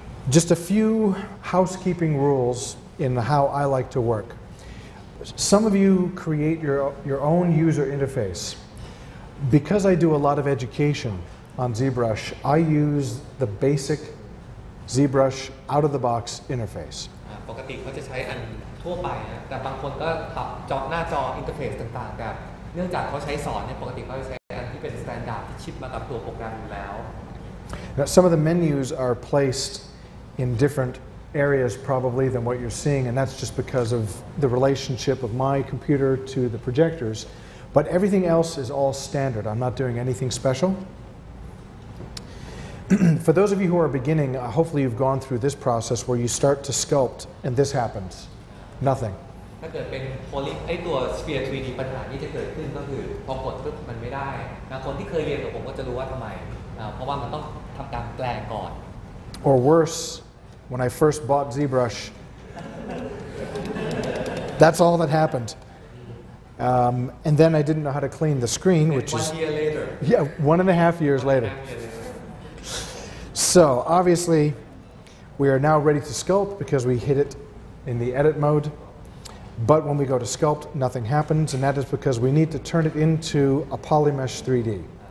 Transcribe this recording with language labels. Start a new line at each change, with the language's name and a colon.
English: Just a few housekeeping rules in how I like to work. Some of you create your own user interface. Because I do a lot of education on ZBrush, I use the basic ZBrush out-of-the-box interface.
Thai: ปกติเขาจะใช้อันทั่วไปแต่บางคนก็ทำจอหน้าจออินเทอร์เฟซต่างๆแบบเนื่องจากเขาใช้สอนเนี่ยปกติเขาจะใช้อันที่เป็นสแตนดาร์ดที่ชิปมากับตัวโปรแกรมอยู่แล้ว
English: Now, some of the menus are placed in different areas probably than what you're seeing and that's just because of the relationship of my computer to the projectors but everything else is all standard I'm not doing anything special for those of you who are beginning hopefully you've gone through this process where you start to sculpt and this happens nothing
Thai: ถ้าเกิดเป็นโพลิไอตัวสเฟียร์ 3D ปัญหานี้จะเกิดขึ้นก็คือพอกดปุ๊บมันไม่ได้นะคนที่เคยเรียนกับผมก็จะรู้ว่าทำไมเพราะว่ามันต้องทำการแปลงก่อน
English: Or worse when I first bought ZBrush That's all that happened and then I didn't know how to clean the screen which is one and a half years later So obviously we are now ready to sculpt because we hit it in the edit modeBut when we go to sculpt, nothing happens, and that is because we need to turn it into a polymesh 3D.